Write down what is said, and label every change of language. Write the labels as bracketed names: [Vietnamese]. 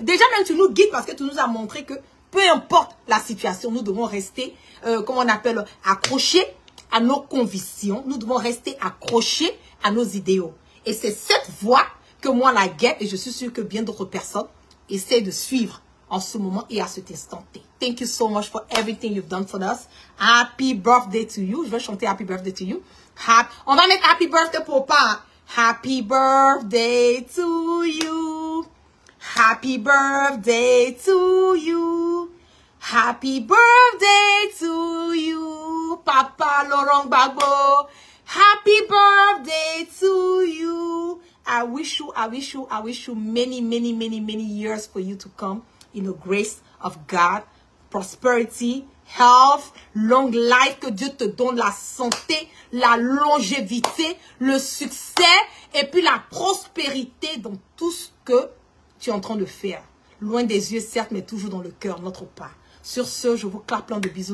[French] Déjà, même tu nous guides parce que tu nous as montré que peu importe la situation, nous devons rester, comment on appelle, accrochés à nos convictions. Nous devons rester accrochés à nos idéaux. Et c'est cette voie que moi, la guette, et je suis sûre que bien d'autres personnes essaient de suivre en ce moment et à cet instant T. [English] Thank you so much for everything you've done for us. Happy birthday to you. [French] Je vais chanter [English] happy birthday to you. [French] On va mettre [English] happy birthday [French] pour pas. [English] Happy birthday to you. Happy birthday to you. Happy birthday to you. Papa Laurent Gbagbo. Happy birthday to you. I wish you many years for you to come in the grace of God. Prosperity, health, long life, [French] que Dieu te donne la santé, la longévité, le succès et puis la prospérité dans tout ce que tu es en train de faire. Loin des yeux, certes, mais toujours dans le cœur, notre pas. Sur ce, je vous clape plein de bisous.